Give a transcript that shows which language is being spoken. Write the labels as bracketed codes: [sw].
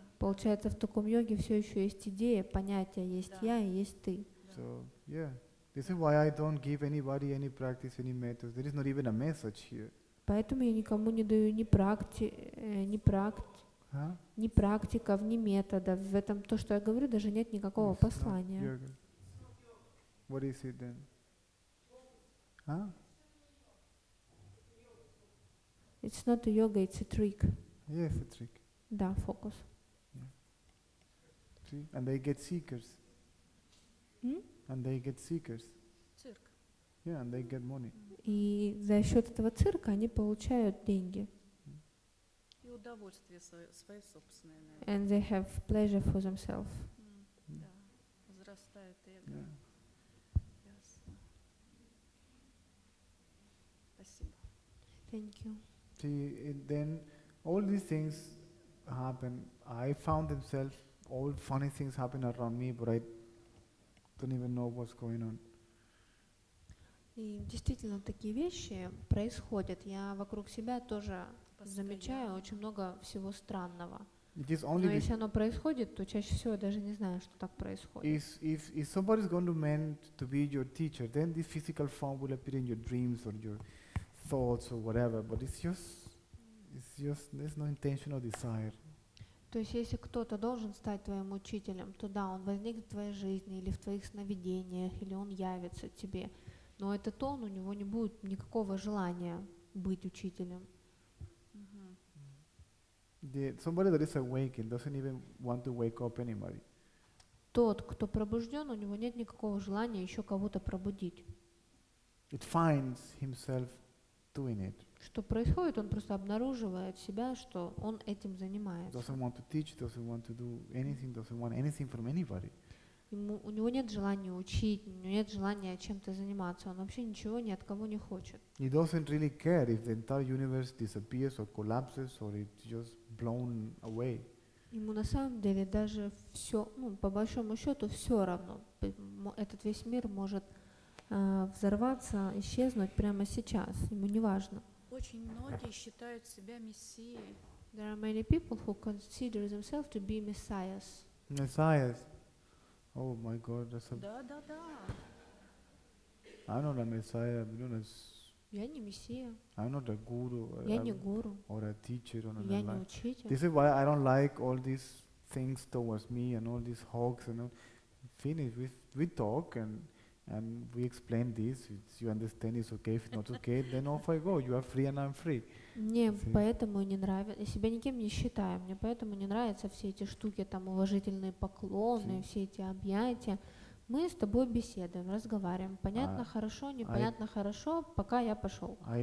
[ru] Получается, в таком йоге все еще есть идея, понятие, есть я и есть ты. [en] So, yeah. This is why I don't give anybody any practice, any method. There is not even a message here. [ru] Поэтому я никому не даю ни практиков, ни методов. В этом то, что я говорю, даже нет никакого послания. [en] Yoga. What is it then? Huh? It's not a yoga, it's a trick. Yes, a trick. [ru] Да, фокус. [en] See? And they get seekers. Hmm? And they get seekers. [ru] Цирк. [en] Yeah, and they get money. [ru] И за счет этого цирка они получают деньги. И удовольствие свое собственное. [en] And they have pleasure for themselves. [ru] Да, возрастает эго. Спасибо. [en] Thank you. See, then all these things happen. I found themselves. All funny things happen around me, but I don't even know what's going on. [ru] И действительно, такие вещи происходят. Я вокруг себя тоже замечаю очень много всего странного. Но если оно происходит, то чаще всего я даже не знаю, что так происходит. [en] If somebody's going to meant to be your teacher, then the physical form will appear in your dreams or your thoughts or whatever. But it's just there's no intention or desire. [ru] То есть, если кто-то должен стать твоим учителем, то да, он возникнет в твоей жизни или в твоих сновидениях, или он явится тебе. Но этот он, у него не будет никакого желания быть учителем. [en] Somebody that is awakened doesn't even want to wake up anybody. [ru] Тот, кто пробужден, у него нет никакого желания еще кого-то пробудить. [en] It finds himself doing it. [ru] Что происходит, он просто обнаруживает себя, что он этим занимается. [en] Doesn't want to teach, doesn't want to do anything, doesn't want anything from anybody. [ru] У него нет желания учить, у него нет желания чем-то заниматься, он вообще ничего ни от кого не хочет. [en] He doesn't really care if the entire universe disappears or collapses or it's just blown away. [ru] Ему на самом деле даже все, ну, по большому счету, все равно. Этот весь мир может взорваться, исчезнуть прямо сейчас. Ему не важно. Очень многие считают себя мессией. [en] There are many people who consider themselves to be messiahs. Messiahs. Oh my God, that's a... [ru] Да. [en] I'm not a messiah. I'm not a... [ru] Я не мессия. [en] I'm not a guru. [ru] Я не гуру. [en] Or a teacher. Or [ru] я не учитель. [en] This is why I don't like all these things towards me and all these hawks and all. Finish. We talk and we explain this. It's, you understand it's okay. If not okay, then off I go. You are free and I'm free. [ru] Мне поэтому не нравится. Я себя никем не считаю. Мне поэтому не нравятся все эти штуки, там уважительные поклоны, все эти объятия. Мы с тобой беседуем, разговариваем. Понятно, хорошо, непонятно, хорошо, пока я пошел.